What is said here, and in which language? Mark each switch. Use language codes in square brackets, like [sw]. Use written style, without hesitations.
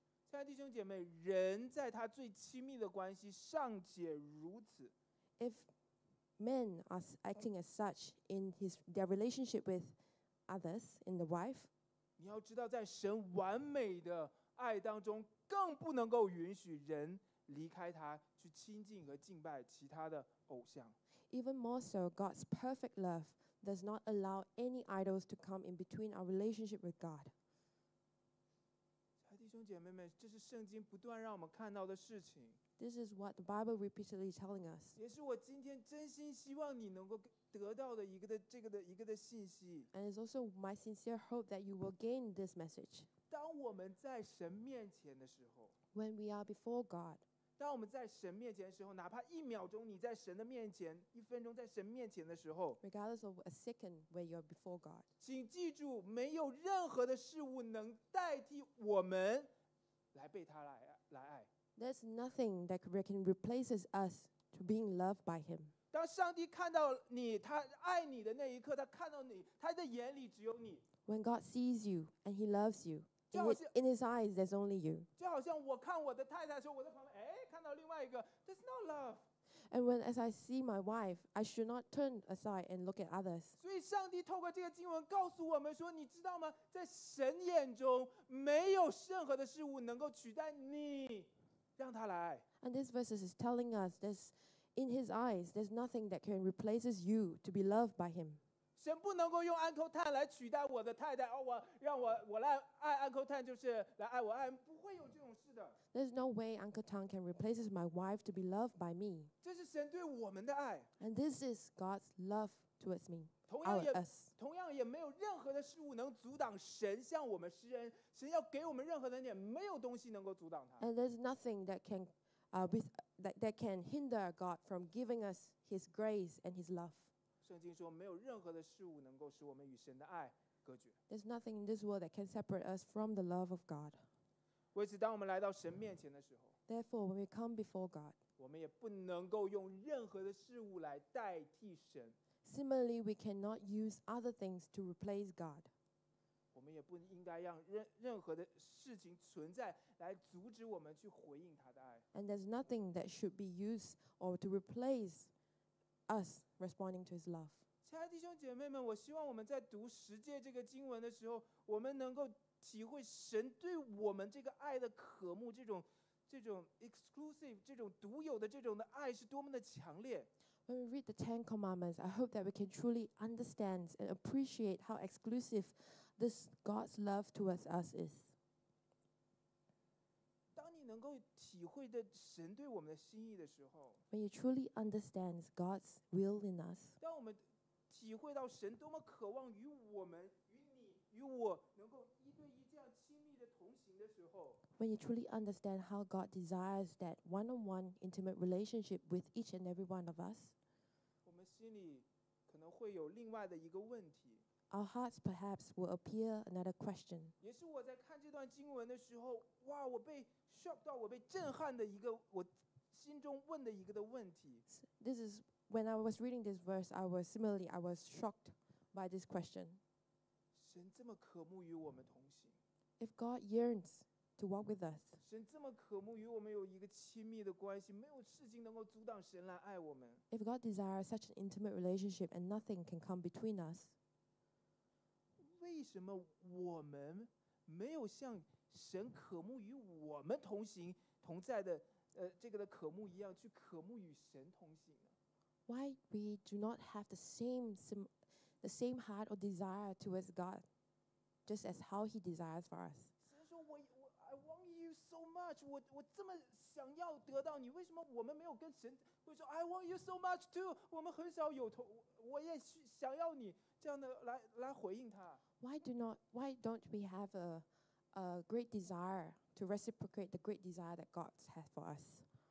[zh] 亲爱的弟兄姐妹，人在他最亲密的关系尚且如此。 [en] If men are acting as such in their relationship with others, in the wife, [zh] 你要知道，在神完美的爱当中，更不能够允许人离开他去亲近和敬拜其他的偶像。 [en] Even more so, God's perfect love does not allow any idols to come in between our relationship with God. [zh] 弟兄姐妹们，这是圣经不断让我们看到的事情。 [en] This is what the Bible repeatedly telling us. [zh] 也是我今天真心希望你能够得到的一个的这个的一个的信息。 [en] And it's also my sincere hope that you will gain this message. [zh] 当我们在神面前的时候， [en] When we are before God. [zh] 当我们在神面前的时候，哪怕一秒钟你在神的面前，一分钟在神面前的时候， [en] Regardless of a second when you're before God. [zh] 请记住，没有任何的事物能代替我们来被他来爱。 [en] There's nothing that can replace us to being loved by Him. [zh] 当上帝看到你，他爱你的那一刻，他看到你，他的眼里只有你。 [en] When God sees you and He loves you, In his eyes, there's only you. [zh] 就好像我看我的太太的时候，我在旁边，哎，看到另外一个 ， [en] there's no love。 And when as I see my wife, I should not turn aside and look at others. [zh] 所以上帝透过这个经文告诉我们说，你知道吗？在神眼中，没有任何的事物能够取代你，让他来。 [en] And this verse is telling us this, in his eyes, there's nothing that can replace you to be loved by him. [zh] 神不能够用 Uncle Tan 来取代我的太太，哦，我让我来爱 Uncle Tan 就是来爱我爱，不会有这种事的。 [en] There's no way Uncle Tan can replace my wife to be loved by me. [zh] 这是神对我们的爱。 [en] And this is God's love towards me. [zh] 同样也没有任何的事物能阻挡神向我们施恩，神要给我们任何的恩，没有东西能够阻挡他。 [en] And there's nothing that can,that can hinder God from giving us His grace and His love. [zh] 圣经说没有任何的事物能够使我们与神的爱隔绝。 [en] There's nothing in this world that can separate us from the love of God. [zh] 为此，当我们来到神面前的时候 [en] ，Therefore, when we come before God, [zh] 我们也不能够用任何的事物来代替神。 [en] Similarly, we cannot use other things to replace God. [zh] 我们也不应该让任何的事情存在来阻止我们去回应他的爱。 [en] And there's nothing that should be used or to replace us responding to His love. [zh] 亲爱的弟兄姐妹们，我希望我们在读十诫这个经文的时候，我们能够体会神对我们这个爱的渴慕，这种 exclusive 这种独有的这种的爱是多么的强烈。 [en] When we read the Ten Commandments, I hope that we can truly understand and appreciate how exclusive this God's love towards us is. [zh] 当你能够体会的神对我们的心意的时候 [en] ，When you truly understand God's will in us, [zh] 当我们体会到神多么渴望与我们、与你、与我能够一对一这样亲密的同行的时候 [en] ，When you truly understand how God desires that one-on-one intimate relationship with each and every one of us, [zh] 我们心里可能会有另外的一个问题。 [en] Our hearts perhaps will appear another question. [zh] 也是我在看这段经文的时候，哇，我被 shock 到，我被震撼的一个我心中问的一个的问题。 [en] This is when I was reading this verse. I was shocked by this question. [zh] 神这么渴慕与我们同行。 [en] If God yearns to walk with us. [zh] 神这么渴慕与我们有一个亲密的关系，没有事情能够阻挡神来爱我们。 [en] If God desires such an intimate relationship, and nothing can come between us. [zh] 为什么我们没有像神渴慕与我们同行同在的这个的渴慕一样去渴慕与神同行呢 [en] ？Why we do not have the same heart or desire towards God, just as how He desires for us? [zh] 神说我 [en] I want you so much. [zh] 我这么想要得到你，为什么我们没有跟神会说 [en] I want you so much too? [zh] 我们很少有我也想要你这样的来回应他。 [en] Why don't we have a great desire to reciprocate the great desire that God has for us?